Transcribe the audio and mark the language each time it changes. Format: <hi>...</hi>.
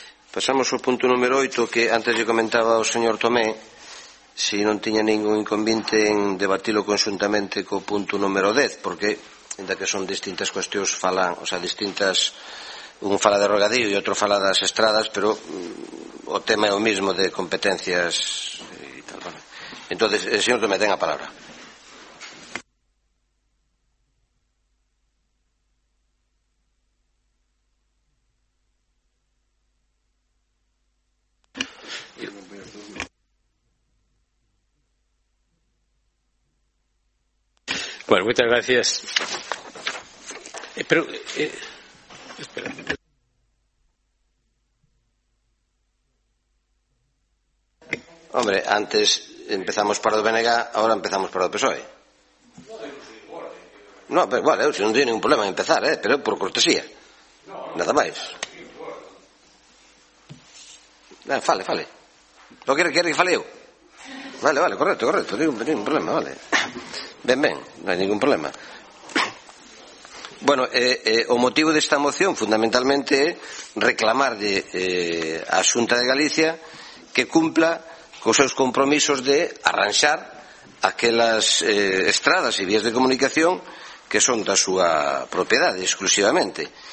<gl>Pasamos ao punto número 8, que antes lle comentaba o señor Tomé, si non tiña ningún inconveniente en debatilo conxuntamente co punto número 10, porque ainda que son distintas cuestións, falan, o sea, distintas, un fala de regadío e outro fala das estradas, pero o tema é o mismo, de competencias e tal.</gl> <es>Bueno, entonces, el señor que me tenga a palabra. Bueno, muchas gracias. Pero, espera. Hombre, antes empezamos para el BNG, ahora empezamos para el PSOE. No, pero igual, bueno, no tiene ningún problema en empezar, pero por cortesía. Nada más.</es> <gl>Fale, fale.</gl> <es>¿Lo quiere que fale yo? Vale, vale, correcto, correcto. No hay ningún problema, vale.</es> <gl>Ben, ben, non hai ningún problema. Bueno, o motivo desta moción fundamentalmente é reclamar de a Xunta de Galicia que cumpla cos seus compromisos de arranxar aquelas estradas e vías de comunicación que son da súa propiedade exclusivamente.</gl>